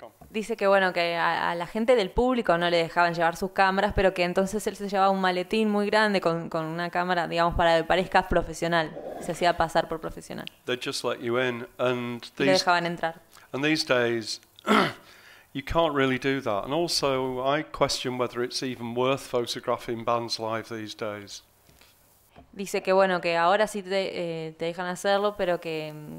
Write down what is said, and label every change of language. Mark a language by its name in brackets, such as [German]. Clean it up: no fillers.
[Spanish] Dice que, bueno, que a la gente del público no le dejaban llevar sus cámaras, pero que entonces él se llevaba un maletín muy grande con una cámara, digamos, para que parezca profesional. Se hacía pasar por profesional. [English] They'd just let you in. And [Spanish] y le dejaban entrar. [English] And these days, you can't really do that. And also, I question whether it's even worth photographing bands live these days. [Spanish] Dice que, bueno, que ahora sí te dejan hacerlo, pero que...